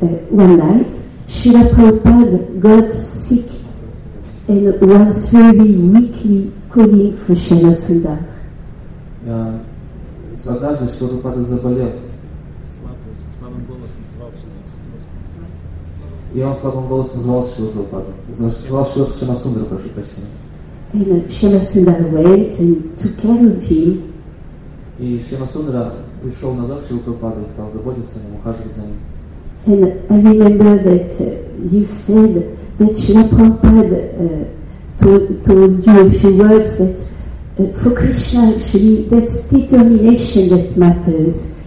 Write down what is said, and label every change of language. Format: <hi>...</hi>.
<en>One night Srila Prabhupada got sick and was really weakly calling for Shamasundara.</en> <ru>Однажды Шрила Прабхупада заболел. Слабым голосом звал Шрила Прабхупада. Звал Шрила Шамасундару, прошу прощения.</ru> <en>And Шамасундара went and took care of him.</en> <ru>И Шамасундара пришел назад Шрила Прабхупада и стал заботиться о нем, ухаживать за ним.</ru> <en>And I remember that you said that Шрила Прабхупада told you a few words that for Krishna, actually, that's determination that matters.</en>